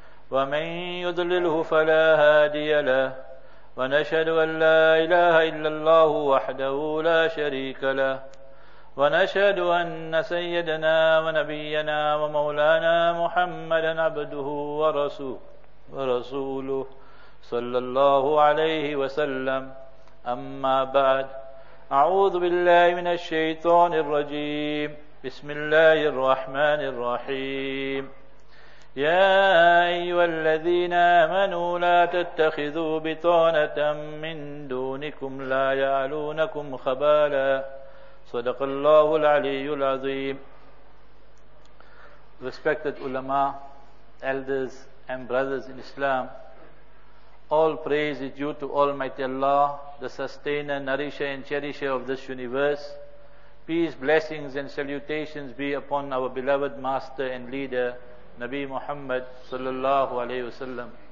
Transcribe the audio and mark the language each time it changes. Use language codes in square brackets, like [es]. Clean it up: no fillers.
[ar] wa man yudlilhu fala hadiya lah wa nashhadu an la ilaha illallahu wahdahu la sharika lah ونشهد أن سيدنا ونبينا ومولانا محمدا عبده ورسوله صلى الله عليه وسلم. أما بعد، أعوذ بالله من الشيطان الرجيم، بسم الله الرحمن الرحيم. يا أيها الذين آمنوا لا تتخذوا بطانة من دونكم لا يألونكم خبالا. صدق الله العلي العظيم. [en] Respected ulama, elders and brothers in Islam, all praise is due to Almighty Allah, the sustainer, nourisher and cherisher of this universe. Peace, blessings and salutations be upon our beloved master and leader, Nabi Muhammad sallallahu alayhi wasallam.